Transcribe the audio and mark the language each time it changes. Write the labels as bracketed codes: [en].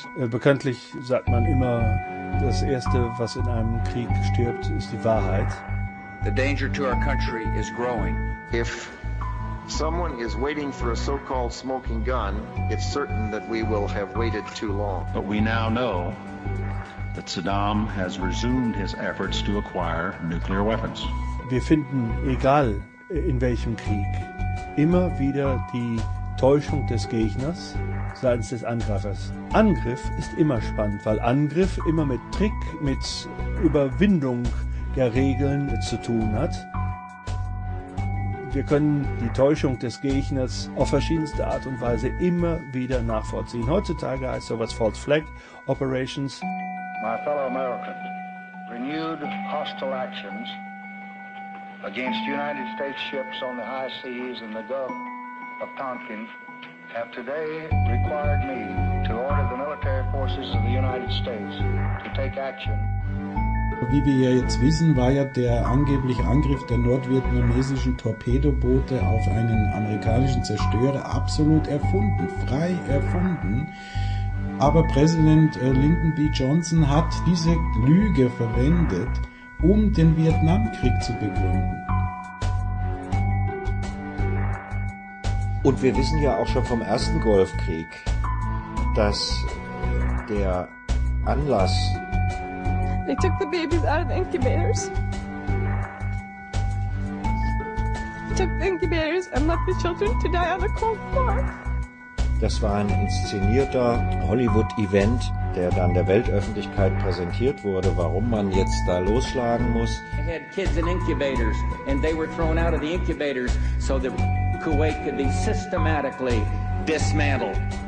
[de] Bekanntlich sagt man immer, das Erste, was in einem Krieg stirbt, ist die Wahrheit. [en] The danger to our country is growing. If someone is waiting for a so-called smoking gun, it's certain that we will have waited too long. But we now know that Saddam has resumed his efforts to acquire nuclear weapons. [de] Wir finden, egal in welchem Krieg, immer wieder die Täuschung des Gegners seitens des Angreifers. Angriff ist immer spannend, weil Angriff immer mit Trick, mit Überwindung der Regeln zu tun hat. Wir können die Täuschung des Gegners auf verschiedenste Art und Weise immer wieder nachvollziehen. Heutzutage heißt sowas False Flag Operations. [en] My fellow Americans, renewed hostile actions against United States ships on the high seas in the Gulf of Tonkin have today required me to order the military forces of the United States to take action. [de] Wie wir ja jetzt wissen, war ja der angebliche Angriff der nordvietnamesischen Torpedoboote auf einen amerikanischen Zerstörer absolut erfunden, frei erfunden. Aber Präsident Lyndon B. Johnson hat diese Lüge verwendet, um den Vietnamkrieg zu begründen. Und wir wissen ja auch schon vom ersten Golfkrieg, dass der Anlass... [en] They took the babies out of the incubators. They took the incubators and left the children to die on the cold floor. [de] Das war ein inszenierter Hollywood-Event, der dann der Weltöffentlichkeit präsentiert wurde, warum man jetzt da losschlagen muss. [en] They had kids in incubators and they were thrown out of the incubators so that Kuwait could be systematically dismantled.